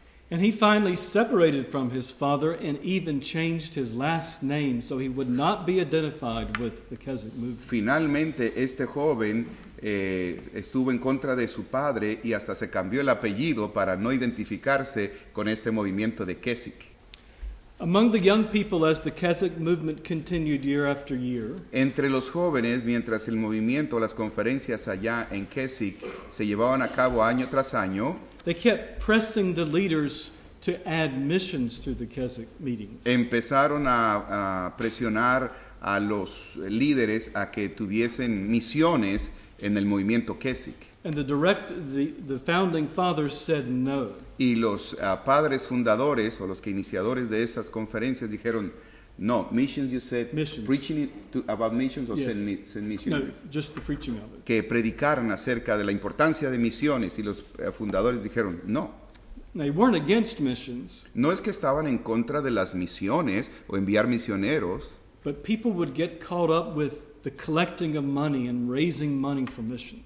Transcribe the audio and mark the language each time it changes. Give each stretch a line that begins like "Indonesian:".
English: And he finally separated from his father and even changed his last name so he would not be identified with the Keswick movement.
Spanish: Finalmente, este joven estuvo en contra de su padre y hasta se cambió el apellido para no identificarse con este movimiento de Keswick.
English: Among the young people, as the Keswick movement continued year after year,
Spanish: entre los jóvenes, mientras el movimiento, las conferencias allá en Keswick se llevaban a cabo año tras año,
English: they kept pressing the leaders to add missions to the Keswick meetings.
Spanish: Empezaron a presionar a los líderes a que tuviesen misiones en el movimiento Keswick.
English: And the founding fathers said no.
Spanish: Y los padres fundadores o los que iniciadores de esas conferencias dijeron no.
English: Missions, you said missions. Preaching about missions or yes. send missionaries. No, just the preaching of it.
Spanish: Que predicaran acerca de la importancia de misiones y los fundadores dijeron no.
English: They weren't against missions.
Spanish: No es que estaban en contra de las misiones o enviar misioneros.
English: But people would get caught up with the collecting of money and raising money for missions.